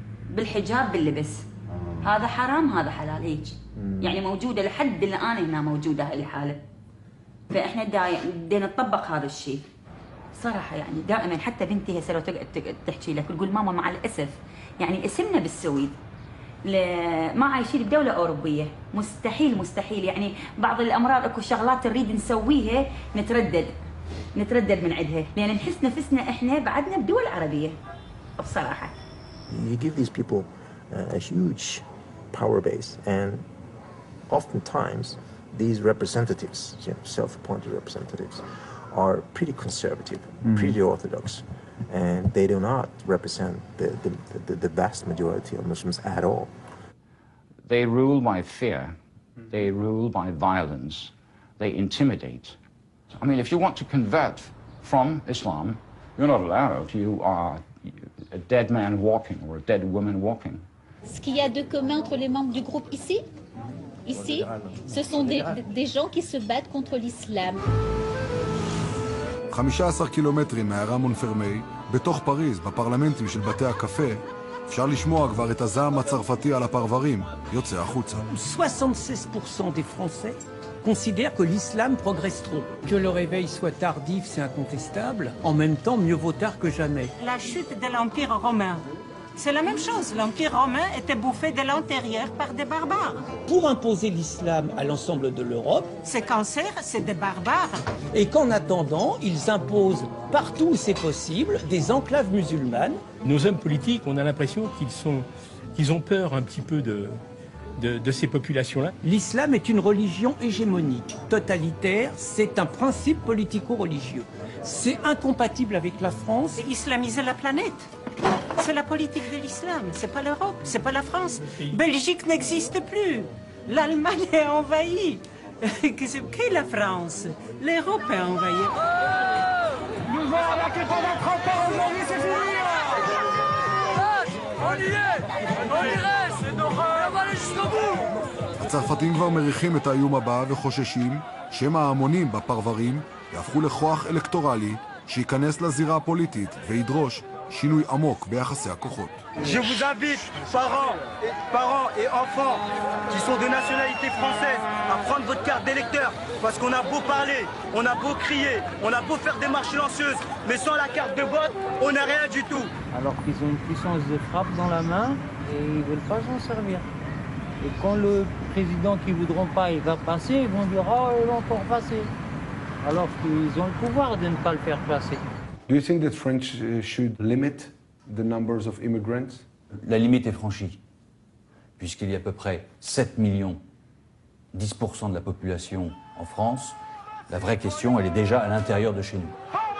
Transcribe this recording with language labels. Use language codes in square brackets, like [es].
[ar] بالحجاب باللبس هذا حرام هذا حلال هيك يعني موجوده لحد الان هنا موجوده هاي الحاله فاحنا بدنا نطبق هذا الشيء صراحه يعني دائما حتى بنتي هسه لو تقعد تحكي لك تقول ماما مع الاسف يعني اسمنا بالسويد ما عايشين بدوله اوروبيه مستحيل مستحيل يعني بعض الامراض اكو شغلات نريد نسويها نتردد من عندها لان نحس نفسنا احنا بعدنا بدول عربيه بصراحه [en] You give these people a huge power base, and oftentimes these representatives, you know, self-appointed representatives, are pretty conservative, pretty orthodox, and they do not represent the vast majority of Muslims at all. They rule by fear. They rule by violence. They intimidate. I mean, if you want to convert from Islam, you're not allowed. You are a dead man walking or a dead woman walking. [fr] Ce qu'il y a de commun entre les membres du groupe ici, ici, ce sont des gens qui se battent contre l'islam. [en] 15 kilometers [he] מהערה מונפרמי, בתוך פריז, בפרלמנטים של בתי הקפה, אפשר לשמוע כבר את הזעם הצרפתי על הפרברים, יוצא החוצה. [fr] 76% des Français considèrent que l'islam progresse trop. Que le réveil soit tardif, c'est incontestable. En même temps, mieux vaut tard que jamais. La chute de l'Empire romain, c'est la même chose. L'Empire romain était bouffé de l'intérieur par des barbares. Pour imposer l'islam à l'ensemble de l'Europe, c'est cancer, c'est des barbares. Et qu'en attendant, ils imposent partout où c'est possible des enclaves musulmanes. Nos hommes politiques, on a l'impression qu'ils ont peur un petit peu de ces populations-là. L'islam est une religion hégémonique, totalitaire, c'est un principe politico-religieux. C'est incompatible avec la France. C'est islamiser la planète. C'est la politique de l'islam, c'est pas l'Europe, c'est pas la France. Belgique n'existe plus. L'Allemagne est envahie. Qu'est-ce que la France? L'Europe est envahie. Nous voir à la quête de 30 ans aujourd'hui, c'est fini. [he] הצרפתים כבר מריחים את האיום הבא וחוששים שמא ההמונים בפרברים יהפכו לכוח אלקטורלי שייכנס לזירה הפוליטית וידרוש שינוי עמוק ביחסי הכוחות. [fr] Je vous invite, parents et enfants qui sont de nationalité française, à prendre votre carte d'électeur, parce qu'on a beau parler, on a beau crier, on a beau faire des marches silencieuses, mais sans la carte de vote, on n'a rien du tout. Alors qu'ils ont une puissance de frappe dans la main et ils ne veulent pas s'en servir. Et quand le président qu'ils ne voudront pas il va passer, ils vont dire « Oh, ils vont encore passer !» Alors qu'ils ont le pouvoir de ne pas le faire passer. [en] Do you think that French should limit the numbers of immigrants? [fr] La limite est franchie, puisqu'il y a à peu près 7 millions, 10% de la population en France. La vraie question, elle est déjà à l'intérieur de chez nous.